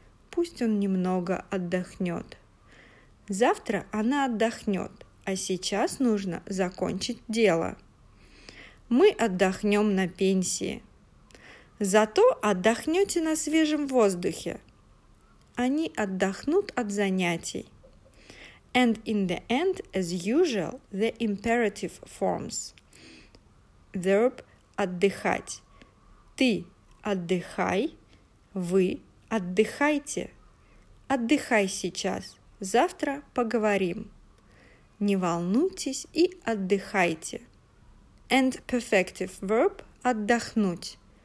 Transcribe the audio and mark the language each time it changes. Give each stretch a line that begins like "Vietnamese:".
Russian: Пусть он немного отдохнет. Завтра она отдохнет, а сейчас нужно закончить дело. Мы отдохнем на пенсии. Зато отдохнете на свежем воздухе. Они отдохнут от занятий.
English: And in the end, as usual, the imperative forms. Verb отдыхать.
Russian: Ты отдыхай, вы отдыхайте. Отдыхай сейчас. Завтра поговорим. Не волнуйтесь и отдыхайте.
English: And perfective verb – отдохнуть.